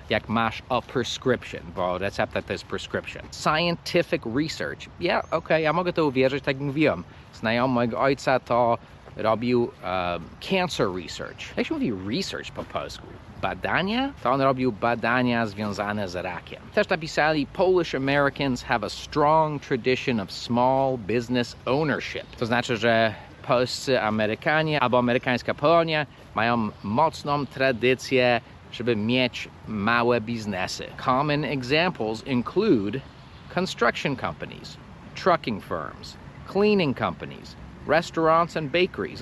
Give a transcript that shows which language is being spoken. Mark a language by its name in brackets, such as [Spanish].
[Polish] Jak masz a prescription, bo recepta to jest prescription. [English] Scientific research. Yeah, okay, [Polish] ja mogę to uwierzyć, tak jak mówiłem. Znajomy mojego ojca to robił cancer research. Jak się mówi research po polsku? Badania? To on robił badania związane z rakiem. Też napisali, [English] Polish Americans have a strong tradition of small business ownership. [Polish] To znaczy, że polscy Amerykanie albo amerykańska Polonia mają mocną tradycję, żeby mieć małe biznesy. [English] Common examples include construction companies, trucking firms, cleaning companies, restaurants and bakeries.